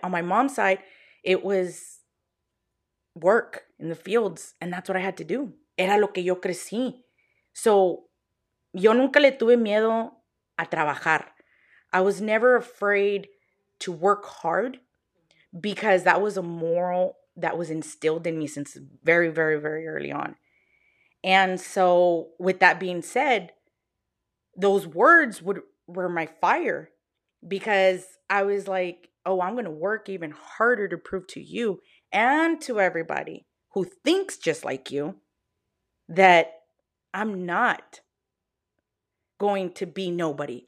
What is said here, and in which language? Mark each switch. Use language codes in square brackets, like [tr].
[en] On my mom's side, it was work in the fields. And that's what I had to do. Era lo que yo crecí. [es] So, yo nunca le tuve miedo a trabajar. [en] I was never afraid to work hard because that was a moral that was instilled in me since very, very, very early on. And so, with that being said, those words were my fire because I was like, oh, I'm going to work even harder to prove to you and to everybody who thinks just like you that I'm not going to be nobody.